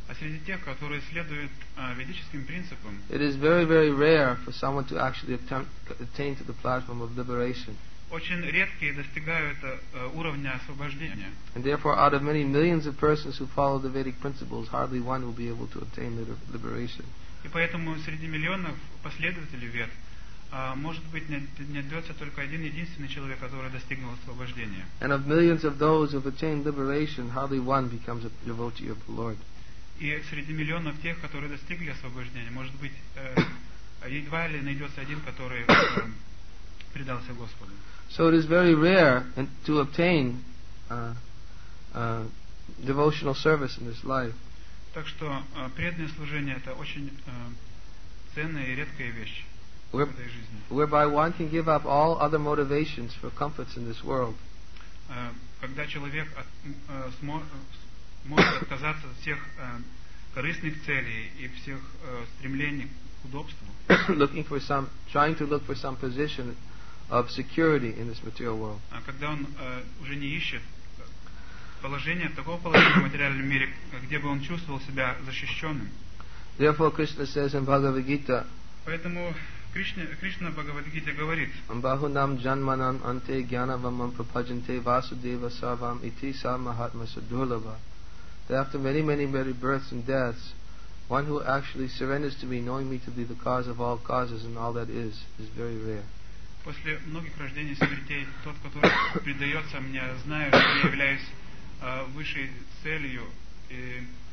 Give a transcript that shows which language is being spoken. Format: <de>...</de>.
<ru>среди тех, которые следуют ведическим принципам,</ru> <en>it is very, very rare for someone to actually attain to the platform of liberation.</en> <ru>Очень редкие достигают уровня освобождения.</ru> <en>And therefore, out of many millions of persons who follow the Vedic principles, hardly one will be able to attain liberation.</en> <ru>И поэтому среди миллионов последователей Вед, может быть, найдется только один единственный человек, который достигнул освобождения.</ru> <en>And of millions of those who have attained liberation, hardly one becomes a devotee of the Lord.</en> <ru>И среди миллионов тех, которые достигли освобождения, может быть, едва ли найдется один, который предался Господу.</ru> <en>So it is very rare to obtain devotional service in this life.</en> <ru>Так что преданное служение — это очень ценная и редкая вещь в этой жизни.</ru> <en>Whereby one can give up all other motivations for comforts in this world.</en> <ru>Когда человек может отказаться от всех корыстных целей и всех стремлений к удобству.</ru> <en>Trying to look for some position of security in this material world.</en> <ru>Когда он уже не ищет положения, такого положения в материальном мире, где бы он чувствовал себя защищенным.</ru> <en>Therefore, Krishna says in Bhagavad Gita.</en> <ru>Поэтому Кришна в Бхагавад Гите говорит.</ru> <sa>Амбаху нам джанманам анте гьянавамам прападжанте васудева сарвам ити са махатма садурлава.</sa> <en>That after many, many, many births and deaths, one who actually surrenders to me, knowing me to be the cause of all causes and all that is very rare.</en> <ru>После многих рождений смертей, тот, который предается мне, зная, что я являюсь высшей целью, и</ru>